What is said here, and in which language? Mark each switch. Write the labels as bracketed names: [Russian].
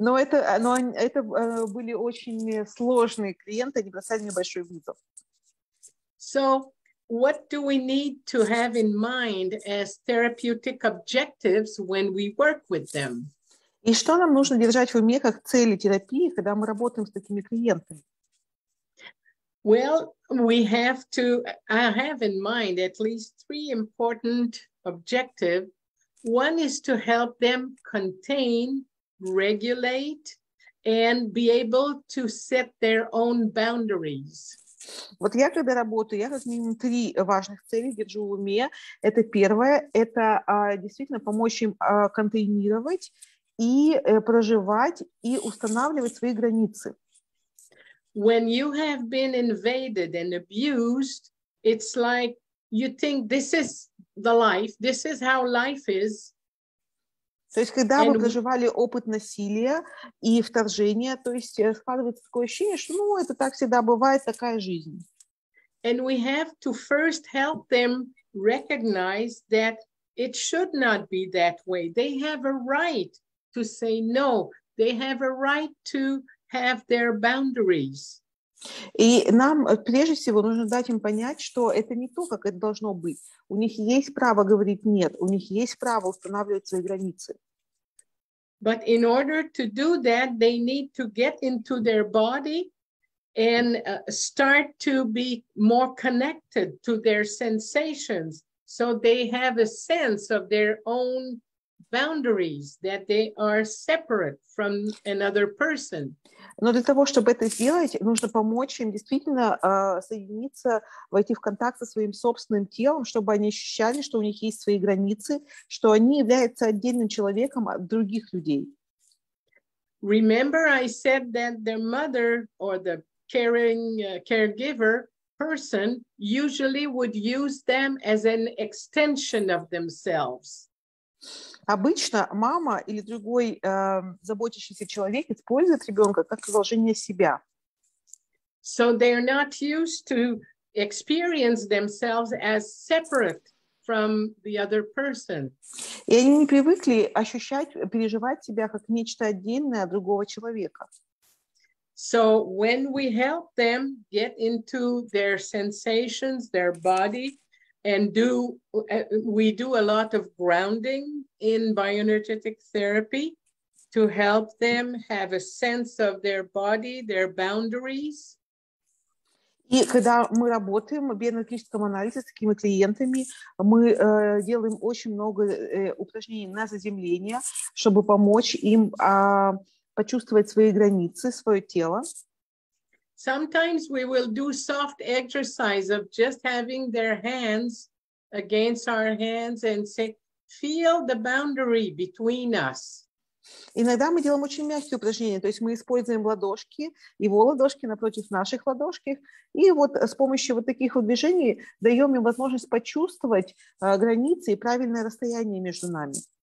[Russian] Но это были очень сложные клиенты, они бросали мне большой вызов. [English] So, what do we need to have in mind as therapeutic objectives when we work with them? [Russian] И что нам нужно держать в уме как цели терапии, когда мы работаем с такими клиентами? [English] Well, we have to, I have in mind at least three important objectives. One is to help them contain, regulate, and be able to set their own boundaries. [Russian] Вот я когда работаю, я как минимум три важных цели держу в уме. Это первое, это действительно помочь им контейнировать и проживать и устанавливать свои границы. [English] When you have been invaded and abused, it's like you think this is the life, this is how life is. [Russian] То есть, когда вы проживали опыт насилия и вторжения, то есть складывается такое ощущение, что это так всегда бывает, такая жизнь. [English] And we have to first help them recognize that it should not be that way. They have a right to say no, they have a right to have their boundaries. [Russian] И нам прежде всего нужно дать им понять, что это не то, как это должно быть. У них есть право говорить нет, у них есть право устанавливать свои границы. [English] But in order to do that, they need to get into their body and start to be more connected to their sensations, so they have a sense of their own boundaries, that they are separate from another person. [Russian] Но для того, чтобы это сделать, нужно помочь им действительно соединиться, войти в контакт со своим собственным телом, чтобы они ощущали, что у них есть свои границы, что они являются отдельным человеком от других людей. [English] Remember, I said that their mother or the caregiver person usually would use them as an extension of themselves. [Russian] Обычно мама или другой заботящийся человек использует ребенка как продолжение себя. [English] So they are not used to experience themselves as separate from the other person. [Russian] И они не привыкли ощущать, переживать себя как нечто отдельное от другого человека. [English] So when we help them get into their sensations, their body, and we do a lot of grounding in bioenergetic therapy to help them have a sense of their body, their boundaries. [Russian] И когда мы работаем в биоэнергетическом анализе с такими клиентами, мы делаем очень много упражнений на заземление, чтобы помочь им почувствовать свои границы, свое тело. [English] Sometimes we will do soft exercise of just having their hands against our hands and say, feel the boundary between us. [Russian] Иногда мы делаем очень мягкие упражнения, то есть мы используем ладошки, его ладошки напротив наших ладошки, и вот с помощью вот таких вот движений даем им возможность почувствовать границы и правильное расстояние между нами.